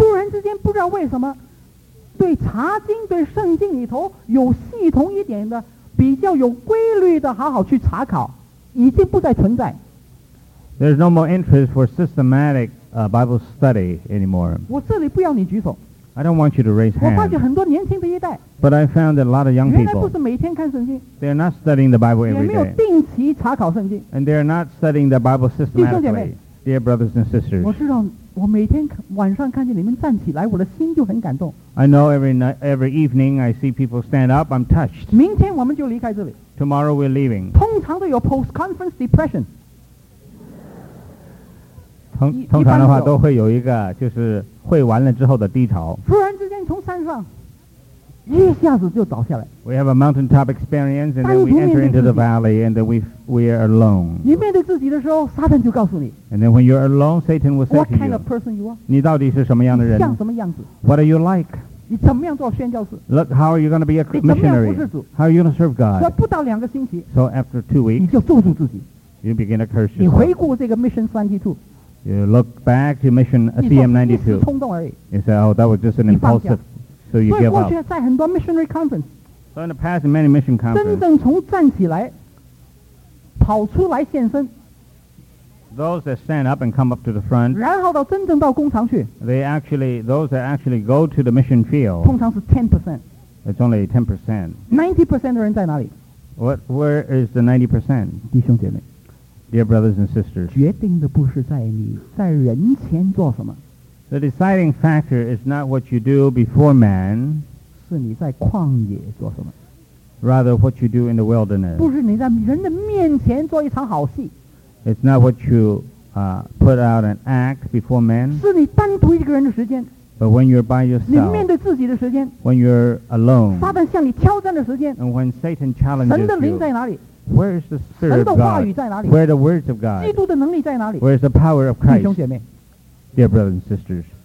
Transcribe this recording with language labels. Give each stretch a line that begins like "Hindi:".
Chinese: 突然之间不知道为什么对查经对圣经里头有系统一点的比较有规律的好好去查考已经不再存在。
English: There's no more interest for systematic Bible study anymore.
Chinese: 我这里不要你举手。
English: I don't want you to raise hands.
Chinese: 我发觉很多年轻的一代
English: But I found that a lot of young people
Chinese: 原来不是每天看圣经
English: They are not studying the Bible every day
Chinese: 也没有定期查考圣经
English: And they are not studying the Bible systematically
Chinese: 弟兄姐妹
English: Dear brothers and sisters
Chinese: 我知道我每天晚上看见你们站起来我的心就很感动
English: I know every evening I see people stand up I'm touched
Chinese: 明天我们就离开这里
English: Tomorrow we're leaving
Chinese: 通常都有
English: post-conference depression
Chinese: 通常的话都会有一个就是会完了之后的低潮突然之间从山上一下子就倒下来
English: We have a mountaintop experience and then we enter into the valley and then we are alone
Chinese: 你面对自己的时候撒旦就告诉你
English: And then when you're alone Satan will say to you What kind of person you are
Chinese: 你到底是什么样的人你像什么样子
English: What are you like
Chinese: 你怎么样做宣教士
English: Look, how are you going to be a missionary
Chinese: 你怎么样服侍主
English: How are you going to serve God
Chinese: 不到两个星期
English: So after 2 weeks
Chinese: 你就咒诅自己
English: You begin to curse yourself
Chinese: 你回顾这个 Mission 32
English: You look back to mission CM92. You say, oh, that was just an impulsive. So you give up. So in the past, missionary conference. So in the past, in many mission conferences.
Chinese: 真正从站起来，跑出来现身。
English: Those that stand up and come up to the front.
Chinese: 然后到真正到工厂去。
English: Those that actually go to the mission field.
Chinese: 通常是 10%.
English: It's only 10%.
Chinese: 90% 的人在哪里？
English: Where is the 90%?
Chinese: 弟兄姐妹。
English: Dear brothers and sisters,
Chinese: 决定的不是在你在人前做什么。
English: The deciding factor is not what you do before man,
Chinese: 是你在旷野做什么。
English: Rather, what you do in the wilderness.
Chinese: 不是你在人的面前做一场好戏。
English: It's not what you put out an act before man.
Chinese: 是你单独一个人的时间。
English: But when you're by yourself,
Chinese: 你面对自己的时间。
English: When you're alone,
Chinese: 撒旦向你挑战的时间。
English: And when Satan challenges you,
Chinese: 神的灵在哪里？
English: Where is the Spirit of God? Where are the words of God?
Chinese: 基督的能力在哪里?
English: Where is the power of Christ?
Chinese: 弟兄姐妹,
English: Dear brothers and sisters,